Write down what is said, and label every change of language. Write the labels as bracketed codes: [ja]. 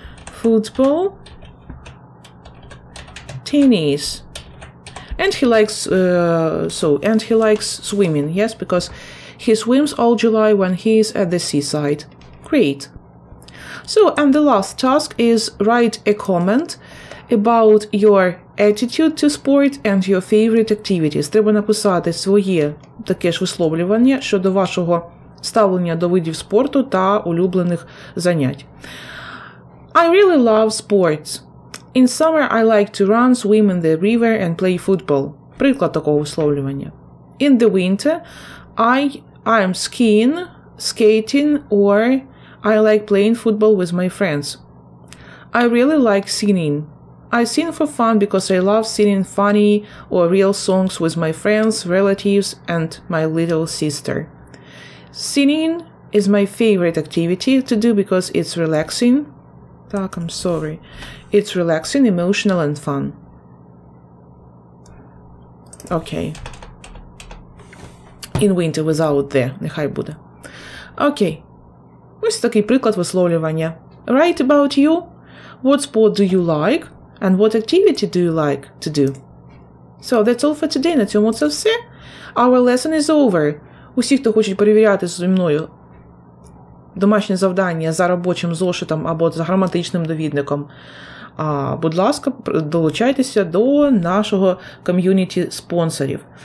[en] Football, tennis, and he likes swimming. Yes, because he swims all July when he is at the seaside. Great. So and the last task is write a comment about your attitude to sport and your favorite activities. [uk] Треба написати своє таке ж висловлювання щодо вашого ставлення до видів спорту та улюблених занять. [en] I really love sports. In summer I like to run, swim in the river and play football. [uk] Приклад такого висловлювання. [en] In the winter I'm skating or I like playing football with my friends. I really like singing. I sing for fun because I love singing funny or real songs with my friends, relatives, and my little sister. Singing is my favorite activity to do because it's relaxing. [uk] Так, [en] I'm sorry. It's relaxing, emotional, and fun. Okay. In winter without the, [uk] нехай буде. [en] Okay. [uk] Ось такий приклад висловлювання. [en] Write about you. What sport do you like? And what activity do you like to do? So, that's all for today. [uk] На цьому це все. [en] Our lesson is over. [uk] Усі, хто хочуть перевіряти зі мною домашнє завдання за робочим зошитом або за граматичним довідником, будь ласка, долучайтеся до нашого ком'юніті спонсорів.